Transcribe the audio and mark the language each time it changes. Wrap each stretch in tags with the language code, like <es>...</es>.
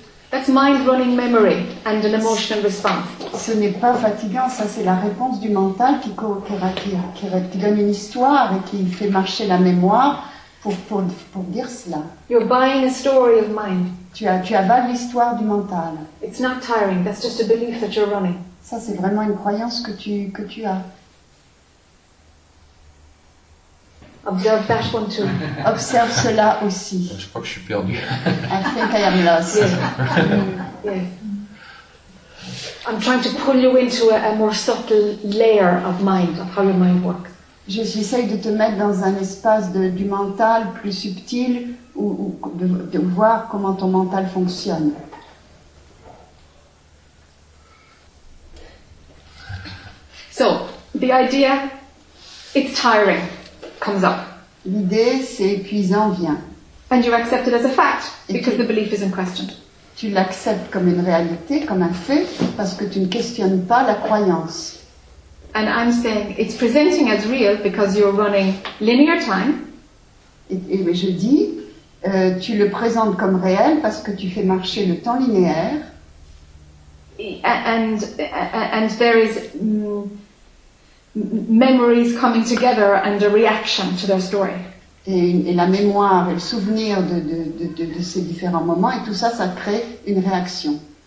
<en>That's mind running memory and an emotional response.</en> <fr>Ce n'est pas fatigant, ça c'est la réponse du mental qui donne une histoire et qui fait marcher la mémoire pour dire cela.</fr> <en>You're buying a story of mind.</en> <fr>Tu avales l'histoire du mental.</fr> <en>It's not tiring. That's just a belief that you're running.</en> <fr>Ça c'est vraiment une croyance que tu as.</fr> <en>Observe that one too.</en> <fr>Observe cela aussi. Je crois que je suis perdu.</fr> <en>I think I am lost. Yes. I'm trying to pull you into a more subtle layer of mind, of how your mind works.</en> <fr>J'essaye de te mettre dans un espace du mental plus subtil ou de voir comment ton mental fonctionne.</fr> <en>So, the idea, it's tiring, comes up.</en> <fr>L'idée, c'est épuisant, vient.</fr> <en>And you accept it as a fact, because the belief is in question.</en> <fr>Tu l'acceptes comme une réalité, comme un fait, parce que tu ne questionnes pas la croyance.</fr> <en>And I'm saying it's presenting as real because you're running linear time.</en> <fr>Et je dis, tu le présentes comme réel parce que tu fais marcher le temps linéaire.</fr> <en>And there is memories coming together and a reaction to their story.</en> <fr>Et la mémoire et le souvenir de ces différents moments et tout ça, ça crée une réaction.</fr>